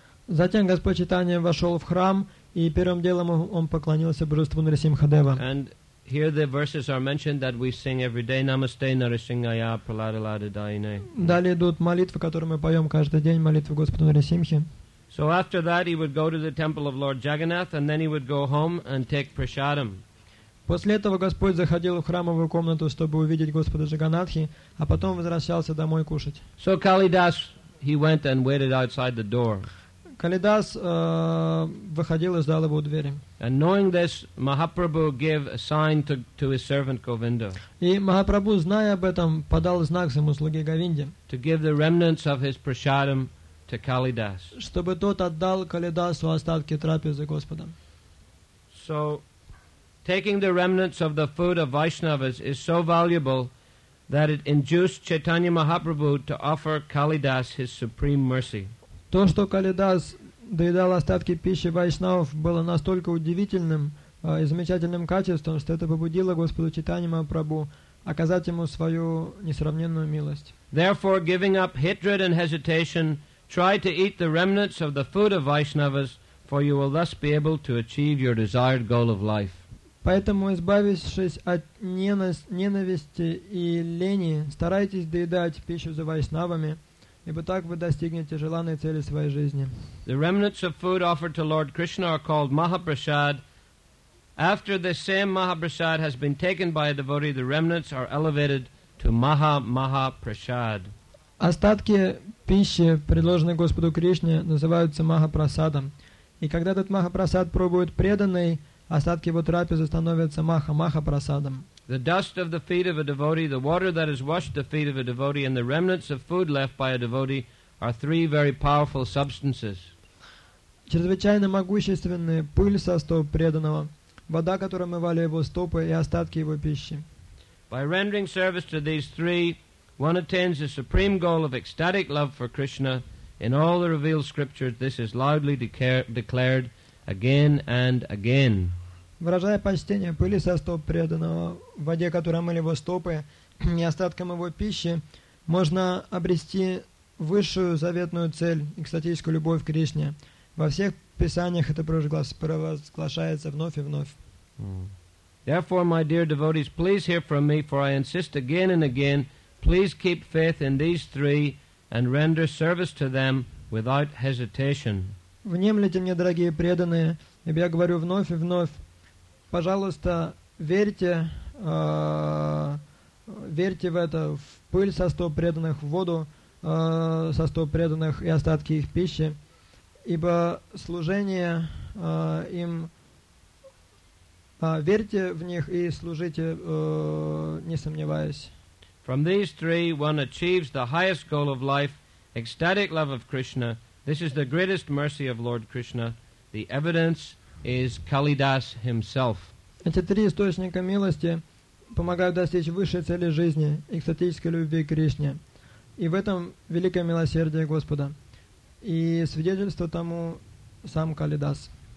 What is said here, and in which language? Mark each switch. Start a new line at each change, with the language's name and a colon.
Russian: Затем Господь Чайтанья вошел в храм и первым делом он поклонился божеству Нрсимхадева.
English: And here the verses are mentioned that we sing every day.
Sanskrit: Namaste Narasimhaya Praladalada Dayine.
Russian: Далее идут молитвы, которые мы поем каждый день, молитвы Господу Нрсимхе.
English: So after that he would go to the temple of Lord Jagannath and then he would go home and take prasadam.
Russian: После этого Господь заходил в храмовую комнату, чтобы увидеть Господа Джаганнатхи, а потом возвращался домой кушать.
English: So Kalidas, he went and waited outside the door.
Russian: Калидас выходил и ждал его у двери.
English: And knowing this, Mahaprabhu gave a sign to his servant Govinda.
Russian: И Махапрабху, зная об этом, подал знак своему слуге Говинде.
English: To give the remnants of his prasadam to Kalidas.
Russian: Чтобы тот отдал Калидасу остатки трапезы Господа.
English: So taking the remnants of the food of Vaishnavas is so valuable that it induced Chaitanya Mahaprabhu to offer Kalidas his supreme mercy.
Russian: То, что Калидас доедал остатки пищи вайшнавов, было настолько удивительным и замечательным качеством, что это побудило Господу Чайтанья Махапрабху оказать ему свою несравненную милость.
English: Therefore, giving up hatred and hesitation, try to eat the remnants of the food of Vaishnavas, for you will thus be able to achieve your desired goal of life.
Russian: Поэтому, избавившись от ненависти и лени, старайтесь доедать пищу за вайшнавами, ибо так вы достигнете желанной цели своей жизни.
English: The remnants of food offered to Lord Krishna are called Mahaprasad. After the same Mahaprasad has been taken by a devotee, the remnants are elevated to Maha-Maha-Prasad.
Russian: Остатки пищи, предложенные Господу Кришне, называются Махапрасадом. И когда этот Махапрасад пробует преданный, остатки его трапезы становятся Маха-Маха-Прасадом.
English: The dust of the feet of a devotee, the water that has washed the feet of a devotee, and the remnants of food left by a devotee are three very powerful substances.
Russian: Чрезвычайно могущественны пыль со стоп преданного, вода, которой омывали его стопы, и остатки его пищи.
English: By rendering service to these three, one attains the supreme goal of ecstatic love for Krishna. In all the revealed scriptures, this is loudly declared again and again.
Russian: Выражая почтение пыли со стоп преданного, в воде, которой омыли его стопы, и остатком его пищи, можно обрести высшую заветную цель, экстатическую любовь к Кришне. Во всех писаниях это провозглашается вновь и вновь.
English: Therefore, my dear devotees, please hear from me, for I insist again and again Please keep faith in these three and render service to them without hesitation.
Russian: Внемлите мне, дорогие преданные, ибо я говорю вновь и вновь. Пожалуйста, верьте в это, в пыль со стоп преданных, в воду со стоп преданных и остатки их пищи, ибо служение им... верьте в них и служите, не сомневаясь.
English: From these three, one achieves the highest goal of life, ecstatic love of Krishna. This is the greatest mercy of Lord Krishna. The evidence is Kalidas himself.
Russian: Эти три источника милости помогают достичь высшей цели жизни, экстатической любви к Кришне. И в этом великое милосердие Господа. И свидетельство тому сам Калидас.